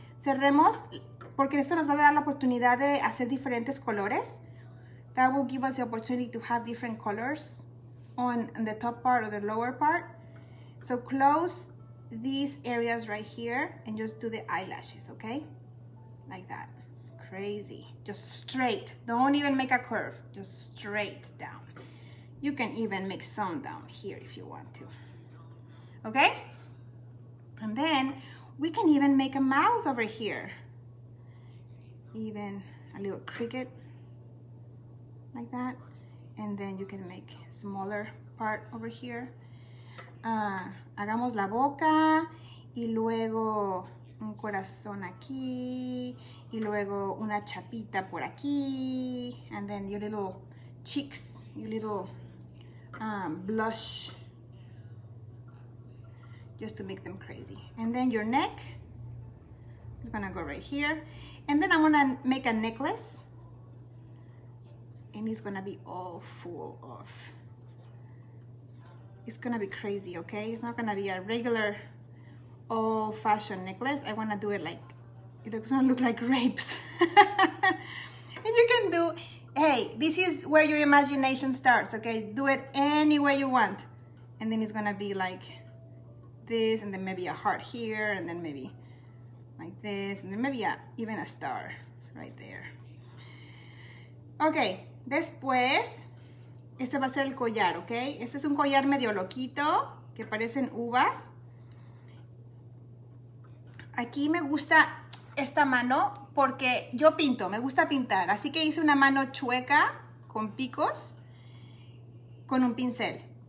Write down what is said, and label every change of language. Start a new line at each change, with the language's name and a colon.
Spanish: Cerremos, porque esto nos va a dar la oportunidad de hacer diferentes colores.
English: That will give us the opportunity to have different colors on the top part or the lower part. So close these areas right here and just do the eyelashes, okay? Like that, crazy. Just straight, don't even make a curve, just straight down. You can even make some down here if you want to, okay? And then we can even make a mouth over here. Even a little cricket, like that. And then you can make smaller part over here.
Spanish: Hagamos la boca y luego un corazón aquí y luego una chapita por aquí.
English: And then your little cheeks, your little blush, just to make them crazy. And then your neck is gonna go right here. And then I'm gonna make a necklace. And it's gonna be all full of. It's gonna be crazy, okay? It's not gonna be a regular old fashioned necklace. I wanna do it like, it's gonna look like grapes. And you can do, hey, this is where your imagination starts, okay? Do it any way you want. And then it's gonna be like this, and then maybe a heart here, and then maybe like this, and then maybe even a star right there. Okay.
Spanish: Después, este va a ser el collar, ¿ok? Este es un collar medio loquito, que parecen uvas. Aquí me gusta esta mano porque yo pinto, me gusta pintar. Así que hice una mano chueca con picos con un pincel.